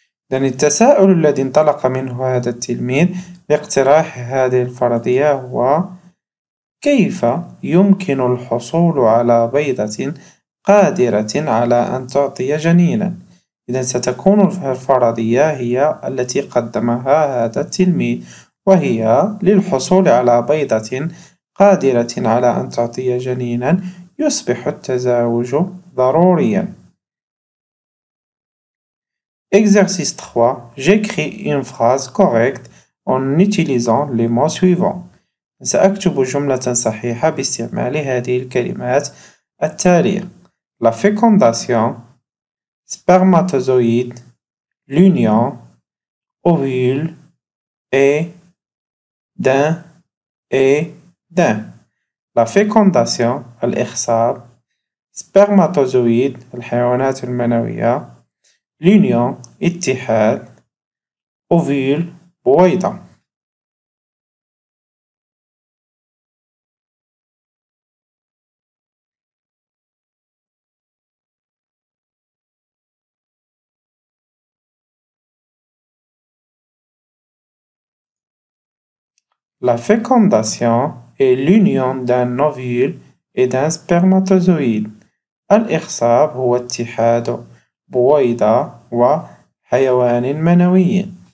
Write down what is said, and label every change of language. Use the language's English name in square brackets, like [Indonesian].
[Arabic] لأن التساؤل الذي انطلق منه هذا التلميذ لاقتراح هذه الفرضية هو: كيف يمكن الحصول على بيضة قادرة على أن تعطي جنينا؟ إذا ستكون الفرضية هي التي قدمها هذا التلميذ، وهي: للحصول على بيضة قادرة على أن تعطي جنينا، يصبح التزاوج ضروريا. [French] Exercice 3. J'écris une phrase correcte en utilisant les mots suivants. [Arabic] سأكتب جملة صحيحة باستعمال هذه الكلمات التالية: [French] La fécondation, spermatozoïde, l'union, ovule, et d'un. [Arabic] La fécondation, الإخصاب, spermatozoïde, الحيوانات المنوية, لونيون اتحاد، أوفيل بويضة. [French] La fécondation est l'union d'un ovule et d'un spermatozoïde. [Arabic] الإخصاب هو اتحاد بويضة وحيوان منوي.